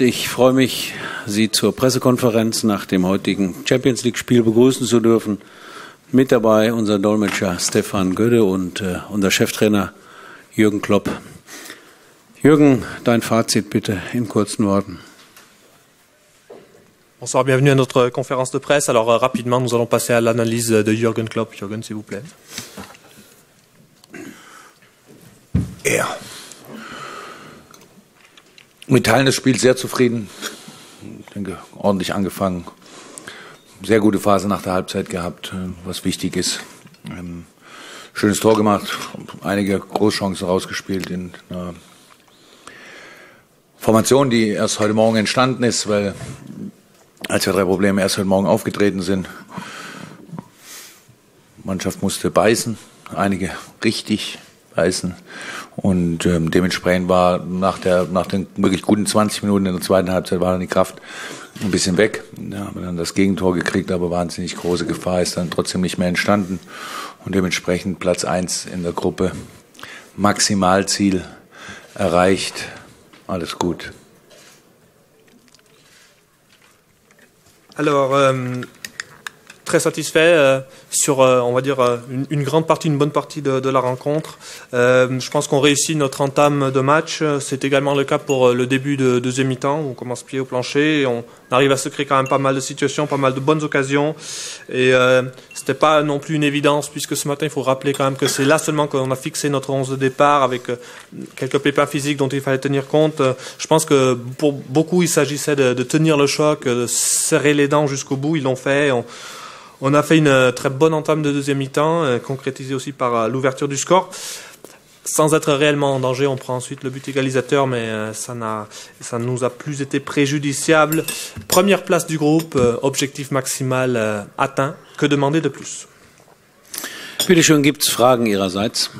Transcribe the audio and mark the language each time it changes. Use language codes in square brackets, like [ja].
[de] Ich freue mich, Sie zur Pressekonferenz nach dem heutigen Champions League-Spiel begrüßen zu dürfen. Mit dabei unser Dolmetscher Stefan Gödde und unser Cheftrainer Jürgen Klopp. Jürgen, dein Fazit bitte in kurzen Worten. [fr] Bonsoir, bienvenue à notre conférence de presse. Alors rapidement, nous allons passer à l'analyse de Jürgen Klopp. Jürgen, s'il vous plaît. [de] Ja. Mit Teilen des Spiels sehr zufrieden. Ich denke, ordentlich angefangen. Sehr gute Phase nach der Halbzeit gehabt, was wichtig ist. Schönes Tor gemacht, einige Großchancen rausgespielt in einer Formation, die erst heute Morgen entstanden ist, weil als ja drei Probleme erst heute Morgen aufgetreten sind. Die Mannschaft musste beißen, einige richtig beißen. Und dementsprechend war nach den wirklich guten 20 Minuten in der zweiten Halbzeit war dann die Kraft ein bisschen weg. Ja, haben dann das Gegentor gekriegt, aber wahnsinnig große Gefahr ist dann trotzdem nicht mehr entstanden. Und dementsprechend Platz 1 in der Gruppe, Maximalziel erreicht, alles gut. [fr] Alors, très satisfait sur, on va dire, une grande partie, une bonne partie de la rencontre. Je pense qu'on réussit notre entame de match. C'est également le cas pour le début de deuxième mi-temps. On commence pied au plancher et on arrive à se créer quand même pas mal de situations, pas mal de bonnes occasions. Et c'était pas non plus une évidence, puisque ce matin, il faut rappeler quand même que c'est là seulement qu'on a fixé notre 11 de départ avec quelques pépins physiques dont il fallait tenir compte. Je pense que pour beaucoup, il s'agissait de tenir le choc, de serrer les dents jusqu'au bout. Ils l'ont fait. On a fait une très bonne entame de deuxième mi-temps, concrétisée aussi par l'ouverture du score. Sans être réellement en danger, on prend ensuite le but égalisateur, mais ça ne nous a plus été préjudiciable. Première place du groupe, objectif maximal atteint. Que demander de plus? [de] Bitte schön, gibt es Fragen Ihrerseits?